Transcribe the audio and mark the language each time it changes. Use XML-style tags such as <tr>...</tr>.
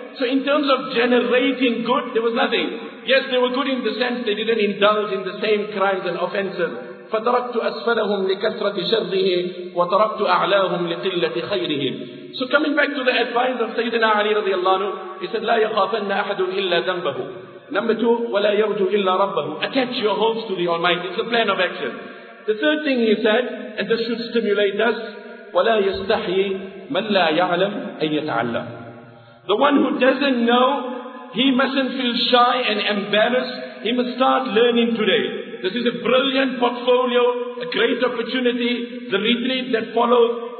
<en>So in terms of generating good, there was nothing. Yes, they were good in the sense they didn't indulge in the same crimes and offenses.</en> <ar>فَتَرَكْتُ أَسْفَلَهُمْ لِكَثْرَةِ شَرِّهِ وَتَرَكْتُ أَعْلَاهُمْ لِقِلَّةِ خَيْرِهِ.</ar> <en>So coming back to the advice of Sayyidina Ali radiallahu anhu, he said,</en> <ar>لَا يَخَافَنَّ أَحَدٌ إِلَّا ذَنْبَهُ.</ar> <en>Number two,</en> <ar>وَلَا يَرْجُ إِلَّا رَبَّهُ.</ar> <en>Attach your hopes to the Almighty. It's a plan of action. The third thing he said, and this should stimulate us,</en> <ar>وَلَا يَسْتَحْيِي مَنْ لَا يَعْلَمْ أَنْ يَتَعَلَّمْ.</ar> <en>The one who doesn't know, he mustn't feel shy and embarrassed. He must start learning today. This is a brilliant portfolio, a great opportunity. The retreat that follows,</en>